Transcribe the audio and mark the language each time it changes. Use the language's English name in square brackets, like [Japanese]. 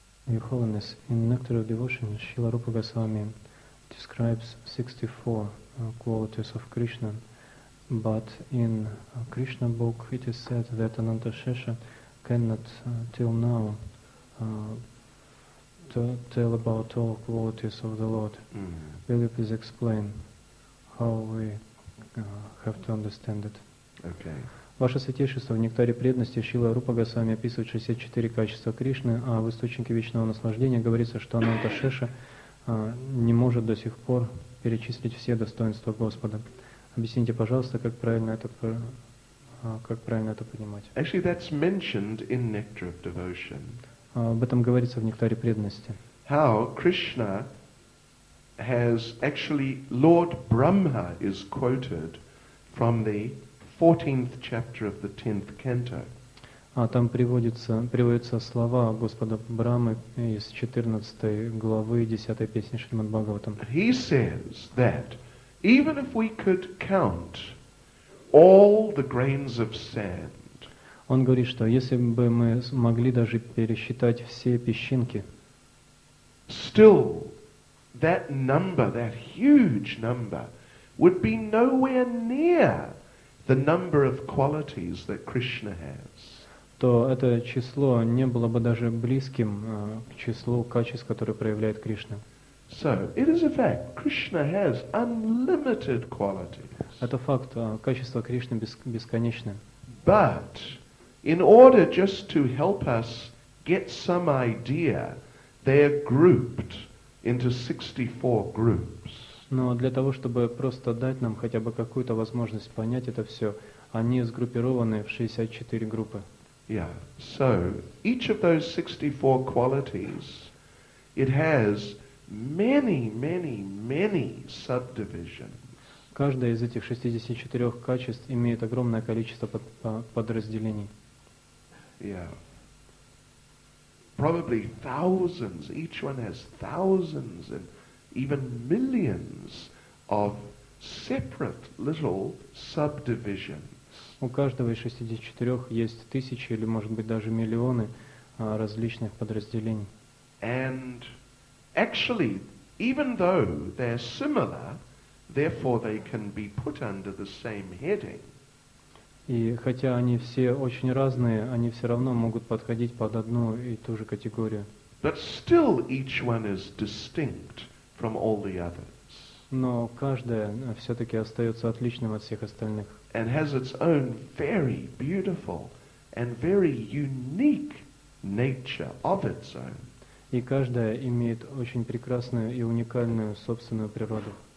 [English] Your Holiness, in Nectar of Devotion, Srila Rupa Goswami describes 64 qualities of Krishna, but in Krishna book it is said that Ananta Shesha cannot till now to tell about all qualities of the Lord. Mm-hmm. Will you please explain how we have to understand it? Okay. [Russian] Ваше святейшество, в нектаре преданности Шрила Рупа Госвами описывает 64 качества Кришны, а в источнике вечного наслаждения говорится, что Ананта Шеша не может до сих пор перечислить все достоинства Господа. Объясните, пожалуйста, как правильно это понимать. [English] Actually, that's mentioned in Nectar of Devotion. [Russian] Об этом говорится в нектаре преданности. [English] How Krishna has actually Lord Brahma is quoted from the 14th chapter of the 10th canto. [Russian] А там приводятся слова Господа Брамы из 14 главы 10 песни Шримад-Бхагаватам. [English] He says that even if we could count all the grains of sand. [Russian] Он говорит, что если бы мы могли даже пересчитать все песчинки, [English] still that number, that huge number would be nowhere near the number of qualities that Krishna has. [Russian] То это число не было бы даже близким к числу качеств, которые проявляет Кришна. [English] So, it is a fact. Krishna has unlimited qualities. [Russian] Это факт. Качества Кришны бесконечны. [English] But, in order just to help us get some idea, they are grouped into 64 groups. [Russian] Но для того, чтобы просто дать нам хотя бы какую-то возможность понять это все, они сгруппированы в 64 группы. [English] Yeah. So, each of those 64 qualities, it has many, many, many subdivisions. [Russian] Каждая из этих 64 качеств имеет огромное количество подразделений. [English] Yeah. Probably thousands. Each one has thousands and even millions of separate little subdivisions. [Russian] У каждого из 64 есть тысячи или, может быть, даже миллионы различных подразделений. [English] And actually, even though they're similar, therefore they can be put under the same heading. [Russian] И хотя они все очень разные, они все равно могут подходить под одну и ту же категорию. [English] But still each one is distinct from all the others. [Russian] Но каждая все-таки остается отличным от всех остальных. [English] And has its own very beautiful and very unique nature of its own. [Russian] И каждая имеет очень прекрасную и уникальную собственную природу.